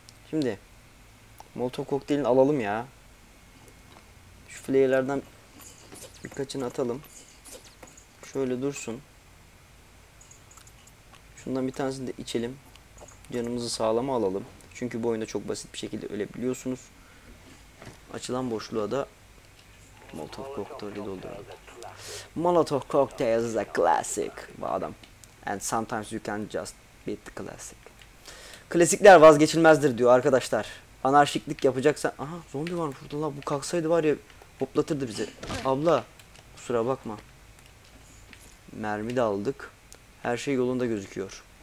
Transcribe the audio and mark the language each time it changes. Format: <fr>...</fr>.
<tr>Şimdi Molotov kokteylini alalım ya. Şu flayerlerden birkaçını atalım. Şöyle dursun. Şundan bir tanesini de içelim. Canımızı sağlama alalım. Çünkü bu oyunda çok basit bir şekilde ölebiliyorsunuz. Açılan boşluğa da Molotov kokteyli dolduralım.</tr> <en>Molotov cocktail is a classic.</en> <tr>Bu adam.</tr> <en>And sometimes you can just beat the classic.</en> <tr>Klasikler vazgeçilmezdir diyor arkadaşlar. Anarşiklik yapacaksan... Aha, zombi var burada lan. Bu kalksaydı var ya hoplatırdı bizi. Abla, kusura bakma. Mermi de aldık. Her şey yolunda gözüküyor.</tr>